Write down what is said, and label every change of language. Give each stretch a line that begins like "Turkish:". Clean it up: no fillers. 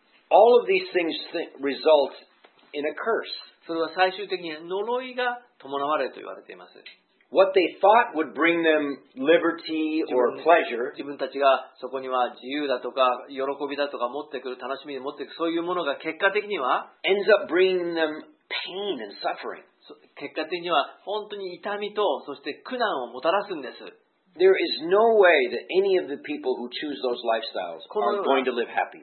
English: all of these things result in a curse.
Japanese: それは最終的に呪いが伴われると言われています。
English: What they thought would bring them liberty or pleasure,
Japanese: 自分たちがそこには自由だとか喜びだとか持ってくる楽しみで持ってくるそういうものが結果的には
English: ends up bringing them pain and suffering.
Japanese: 結果的には本当に痛みとそして苦難をもたらすんです。
English: There is no way that any of the people who choose those lifestyles are going to live happy.